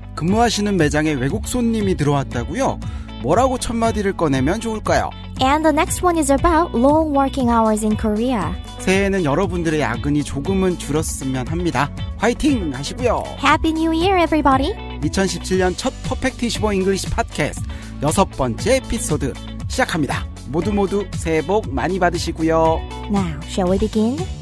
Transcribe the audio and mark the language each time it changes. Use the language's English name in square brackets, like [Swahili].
[Korean] 근무하시는 매장에 외국 손님이 들어왔다고요? 뭐라고 첫 마디를 꺼내면 좋을까요? [English] And the next one is about long working hours in Korea. [Korean] 새해에는 여러분들의 야근이 조금은 줄었으면 합니다. 화이팅 하시고요. [English] Happy New Year, everybody. [Korean] 2017년 첫 퍼펙트 25 English Podcast 여섯 번째 에피소드 시작합니다. 모두 모두 새해 복 많이 받으시고요. [English] Now, shall we begin?